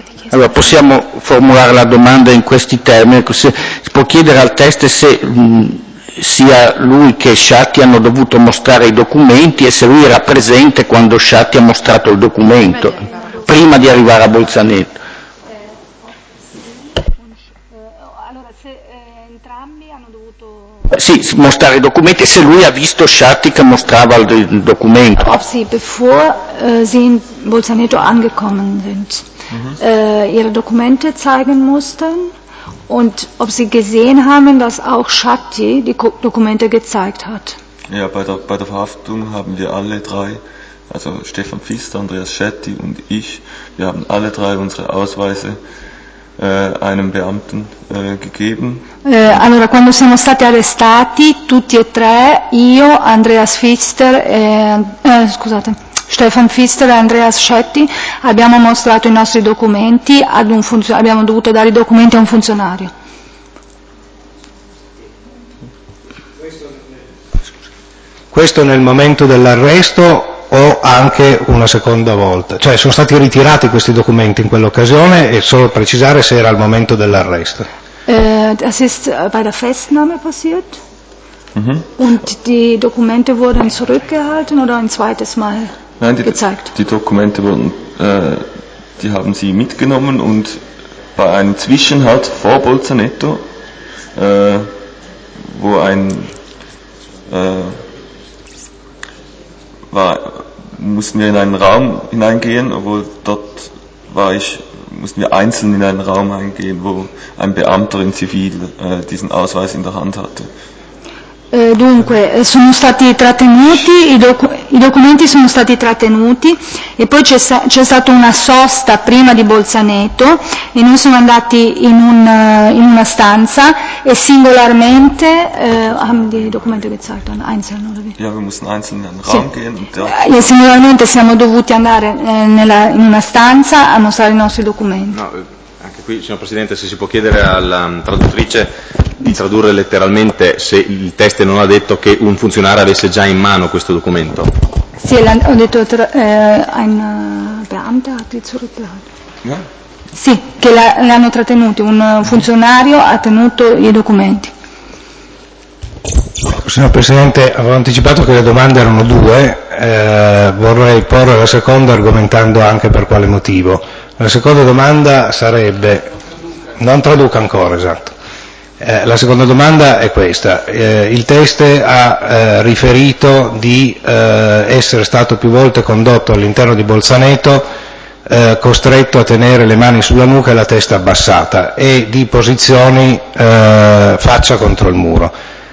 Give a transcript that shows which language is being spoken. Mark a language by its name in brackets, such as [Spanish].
[Italian] Allora possiamo formulare la domanda in questi termini, se, si può chiedere al test se sia lui che Sciatti hanno dovuto mostrare i documenti e se lui era presente quando Sciatti ha mostrato il documento, prima di arrivare a Bolzaneto. Allora se entrambi hanno dovuto... Sì, mostrare i documenti e se lui ha visto Sciatti che mostrava il documento. [German] Ob sie bevor sie in Bolzaneto angekommen sind, ihre Dokumente zeigen mussten und ob sie gesehen haben, dass auch Sciatti die Dokumente gezeigt hat. Ja, bei der Verhaftung haben wir alle drei, also Stefan Pfister, Andreas Sciatti und ich, wir haben alle drei unsere Ausweise einem Beamten gegeben. [Italian] Allora, quando siamo stati arrestati, tutti e tre, io, Andreas Pfister, scusate, Stefan Pfister e Andreas Sciatti, abbiamo mostrato i nostri documenti, abbiamo dovuto dare i documenti a un funzionario. Questo nel momento dell'arresto o anche una seconda volta? Cioè, sono stati ritirati questi documenti in quell'occasione e solo precisare se era al momento dell'arresto. [German] Das ist bei der Festnahme passiert und die Dokumente wurden zurückgehalten oder ein zweites Mal gezeigt? Die Dokumente wurden, die haben sie mitgenommen und bei einem Zwischenhalt vor Bolzaneto wo ein war, mussten wir in einen Raum hineingehen, obwohl dort war ich, mussten wir einzeln in einen Raum eingehen, wo ein Beamter in Zivil diesen Ausweis in der Hand hatte. [Italian] Dunque, sono stati trattenuti, i documenti sono stati trattenuti e poi c'è stata una sosta prima di Bolzaneto e noi siamo andati in, un, in una stanza e singolarmente e singolarmente siamo dovuti andare nella, in una stanza a mostrare i nostri documenti. Anche qui, signor Presidente, se si può chiedere alla traduttrice di tradurre letteralmente se il test non ha detto che un funzionario avesse già in mano questo documento. Sì, ho detto [German] ein Beamter hat die zurückgehalten. [Italian] Sì, che l'hanno trattenuto, un funzionario ha tenuto i documenti. Signor Presidente, avevo anticipato che le domande erano due, vorrei porre la seconda argomentando anche per quale motivo. La seconda domanda sarebbe, non traduca ancora, esatto, la seconda domanda è questa, il teste ha riferito di essere stato più volte condotto all'interno di Bolzaneto, costretto a tenere le mani sulla nuca e la testa abbassata e di posizioni faccia contro il muro.